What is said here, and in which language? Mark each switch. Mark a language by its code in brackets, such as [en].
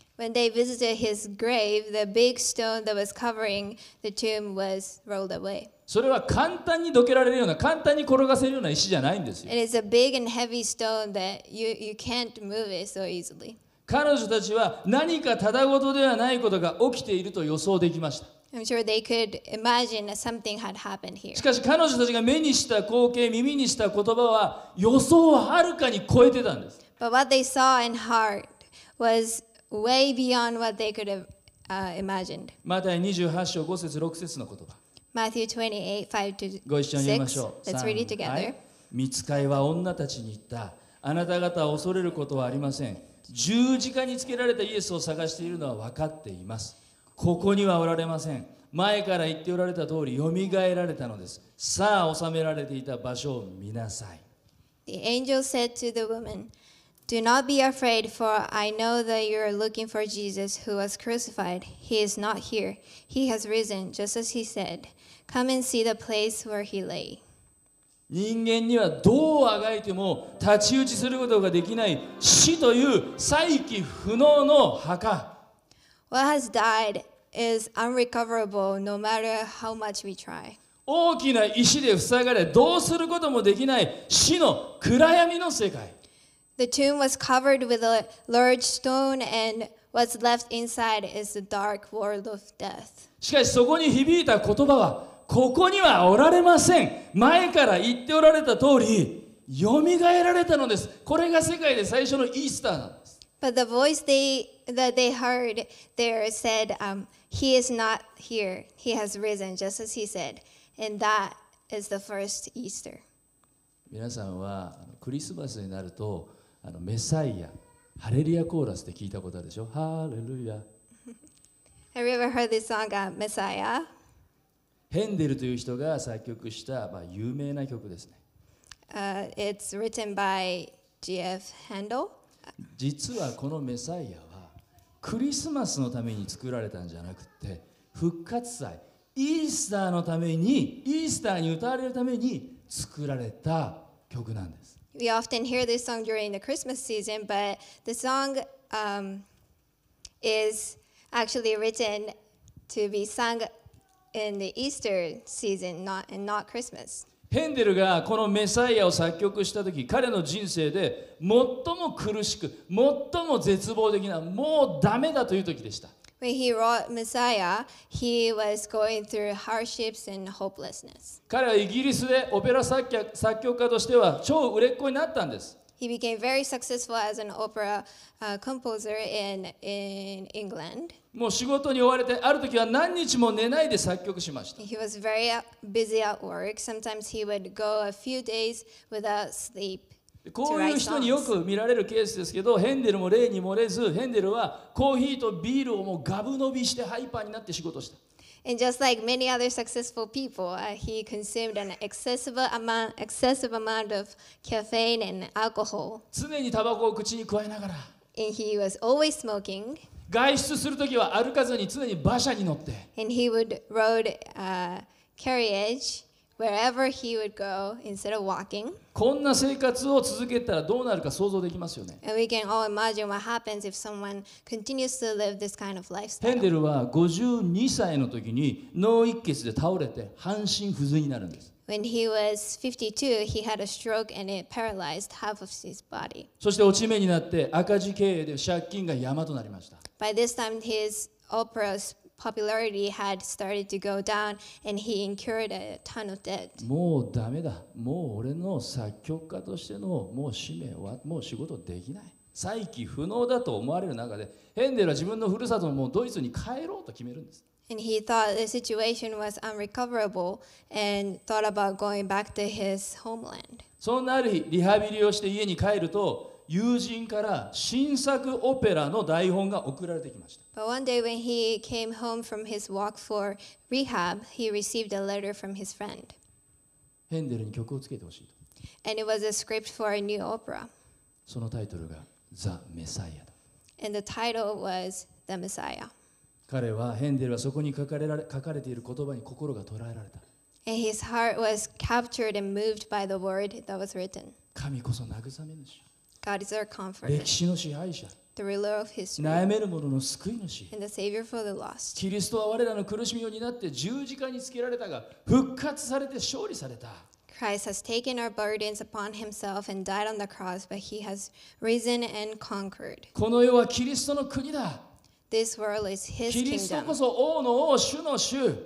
[en] When they visited his grave, the big stone that was covering the tomb was rolled away. [ja] それは簡単にどけられるような、簡単に転がせるような石じゃないんですよ。 [en] It is a big and heavy stone that you can't move it so easily. [ja] 彼女たちは何かただごとではないことが起きていると予想できました。 [en] I'm sure they could imagine that something had happened here. [ja] しかし彼女たちが目にした光景、耳にした言葉は予想をはるかに超えてたんです。 [en] But what they saw in heart was way beyond what they could have imagined. [ja] マタイ28章5節6節の言葉。 [en] Matthew 28:5 to 6. [ja] ご一緒に読みましょう。 [en] Let's read it together. [ja] 御使いは女たちに言った。あなた方は恐れることはありません。十字架につけられたイエスを探しているのは分かっています。ここにはおられません。前から言っておられた通り、よみがえられたのです。さあ、収められていた場所を見なさい。 [en] The angel said to the woman, Do not be afraid, for I know that you are looking for Jesus who was crucified. He is not here. He has risen, just as he said. Come and see the place where he lay. [ja] 人間にはどうあがいても立ち打ちすることができない死という再起不能の墓。 [en] What has died is unrecoverable, no matter how much we try. [ja] 大きな石で塞がれ、どうすることもできない死の暗闇の世界。 [en] The tomb was covered with a large stone, and what's left inside is the dark world of death. [ja] しかしそこに響いた言葉は、ここにはおられません。前から言っておられた通り、よみがえられたのです。これが世界で最初のイースターなんです。 [en] But the voice that they heard there said, He is not here. He has risen, just as he said. And that is the first Easter. [ja] 皆さんはクリスマスになるとメサイア、ハレルヤコーラスって聞いたことあるでしょ？ハレルヤ。 [en] Have you ever heard this song, Messiah? [ja] ヘンデルという人が作曲した、有名な曲ですね。 [en] It's written by G.F. Handel. [ja] 実はこのメサイアはクリスマスのために作られたんじゃなくて復活祭イースターのためにイースターに歌われるために作られた曲なんです。 [en] We often hear this song during the Christmas season, but the song is actually written to be sung in the Easter season, not Christmas. [ja] ヘンデルがこのメサイアを作曲したとき、彼の人生で最も苦しく、最も絶望的な、もうダメだというときでした。 [en] When he wrote Messiah, he was going through hardships and hopelessness. [ja] 彼はイギリスでオペラ作曲家としては超売れっ子になったんです。 [en] He became very successful as an opera composer in England. [ja] もう仕事に追われて、あるときは何日も寝ないで作曲しました。 [en] He was very busy at work. Sometimes he would go a few days without sleep. [ja] こういう人によく見られるケースですけど、ヘンデルも例に漏れず、ヘンデルはコーヒーとビールをもうガブ飲みしてハイパーになって仕事した。 [en] And just like many other successful people, he consumed an excessive amount of caffeine and alcohol. [ja] 常にタバコを口に加えながら。 [en] And he was always smoking. [ja] 外出するときは歩かずに常に馬車に乗って。 [en] And he would ride a carriage wherever he would go instead of walking. [ja] こんな生活を続けたらどうなるか想像できますよね。 [en] And we can all imagine what happens if someone continues to live this kind of lifestyle. [ja] ヘンデルは52歳の時に脳一血で倒れて半身不随になるんです。 [en] When he was 52, he had a stroke and it paralyzed half of his body. [ja] そして落ち目になって赤字経営で借金が山となりました。 [en] By this time, his opera's popularity had started to go down and he incurred a ton of debt. [ja] もうダメだ。もう俺の作曲家としてのもう使命はもう仕事できない。再起不能だと思われる中で、ヘンデルは自分のふるさともうドイツに帰ろうと決めるんです。 [en] And he thought the situation was unrecoverable and thought about going back to his homeland. [ja] そんなある日、リハビリをして家に帰ると、友人から新作オペラの台本が送られてきました。 [en] But one day when he came home from his walk for rehab, he received a letter from his friend. [ja] ヘンデルに曲をつけてほしいと。 [en] And it was a script for a new opera. [ja] そのタイトルがザ・メサイアだ。 [en] And the title was The Messiah. [ja] 彼はヘンデルはそこに書かれている言葉に心が捉えられた。 [en] And his heart was captured and moved by the word that was written. [ja] 神こそ慰め主。 [en] God is our comfort. [ja] 歴史の支配者。 [en] The ruler of history. [ja] 悩める者の救い主。 [en] And the savior for the lost. [ja] キリストは我らの苦しみを担って十字架につけられたが復活されて勝利された。 [en] Christ has taken our burdens upon himself and died on the cross, but he has risen and conquered. [ja] この世はキリストの国だ。 [en] This world is his [ja] キリストこそ王の王、主の主。